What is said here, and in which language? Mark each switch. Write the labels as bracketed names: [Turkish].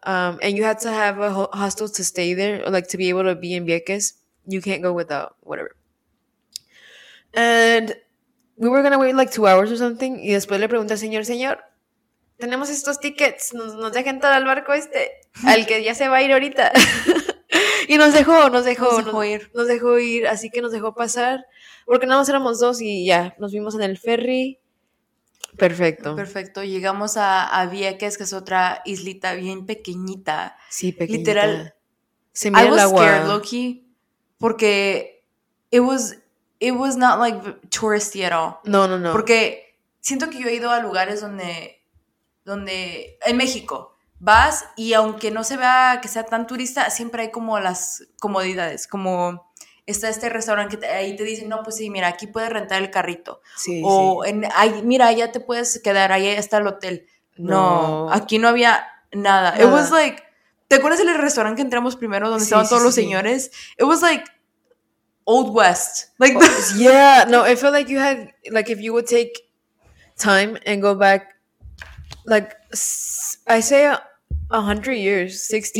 [English] And you had to have a hostel to stay there, or, like, to be able to be in Vieques. You can't go without whatever. And we were going to wait like 2 hours or something. [Spanish] Y después le pregunté al señor, tenemos estos tickets, nos dejan entrar al barco este, al que ya se va a ir ahorita. Y nos dejó ir, así que nos dejó pasar, porque nada más éramos dos y ya, nos vimos en el ferry, perfecto. Perfecto, llegamos a Vieques, que es otra islita bien pequeñita. Sí, pequeñita. Literal, se mira el agua. [English] I was scared, Loki, [Spanish] porque [English] it was not like touristy at all. [Spanish] No. Porque siento que yo he ido a lugares donde en México vas y aunque no se vea que sea tan turista, siempre hay como las comodidades, como está este restaurante que ahí te dicen, no, pues sí, mira, aquí puedes rentar el carrito. Sí, o sí. Mira, allá te puedes quedar, ahí está el hotel. No. Aquí no había nada. [English] It was like, [Spanish] ¿te acuerdas del restaurante que entramos primero donde estaban todos los señores? [English] It was like Old West. I felt like you had, like if you would take time and go back, like, I say 100 years, 60